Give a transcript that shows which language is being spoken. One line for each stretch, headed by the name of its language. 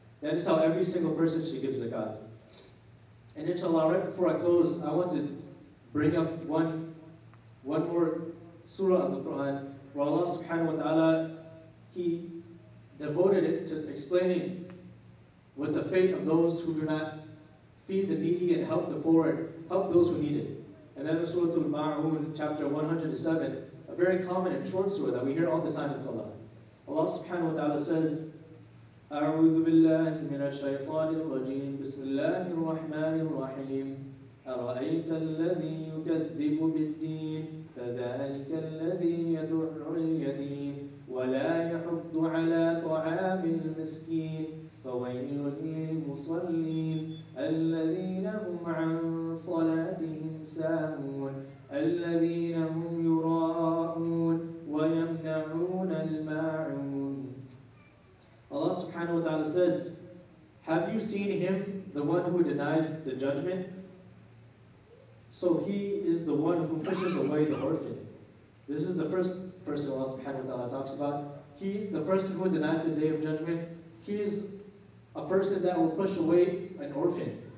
English: That is how every single person should give zakat. And inshallah, right before I close, I want to bring up one more surah of the Quran where Allah subhanahu wa ta'ala, he devoted it to explaining what the fate of those who do not feed the needy and help the poor and help those who need it. And then Surah Al-Ma'un, chapter 107, a very common and short surah that we hear all the time in Salah. Allah subhanahu wa ta'ala says,
Arabic: أَعُوذُ بِاللَّهِ مِنَ الشَّيْطَانِ الرَّجِيمِ بِسْمِ اللَّهِ الرَّحْمَنِ الرَّحِيمِ أرأيت الذي يكذب بالدين كذلك الذي يدعو اليتيم ولا يحض على طعام المسكين فويل للمصلين الذين هم عن صلاتهم ساهون الذين هم يراءون ويمنعون الماعون.
English: Allah subhanahu wa ta'ala says, have you seen him, the one who denies the judgment? So he is the one who pushes away the orphan. This is the first person Allah subhanahu wa ta'ala talks about. He, the person who denies the day of judgment, he is a person that will push away an orphan.